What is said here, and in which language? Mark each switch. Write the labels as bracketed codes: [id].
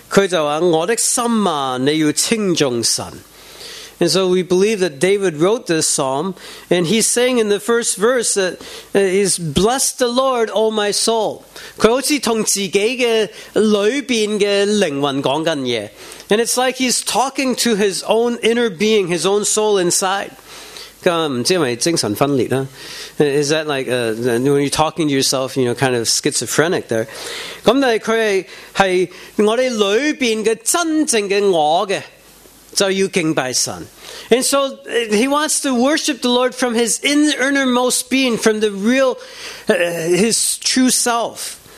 [zh] 所以我们多谢你听我们祷告,奉圣名求,Amen。在这个第一节,诗人应该是大卫写这个诗篇,他就说,我的心啊,你要称颂神。 [en] And so we believe that David wrote this psalm, and he's saying in the first verse that he's blessed the Lord, O my soul. [zh] 他好像跟自己的里面的灵魂讲的东西。 [en] And it's like he's talking to his own inner being, his own soul inside. [zh] 不知道是不是精神分裂呢? [en] Is that like when you're talking to yourself, you know, kind of schizophrenic there? [zh] 但是他是我们里面的真正的我的。就要敬拜神。 [en] And so he wants to worship the Lord from his innermost being, from the real, his true self.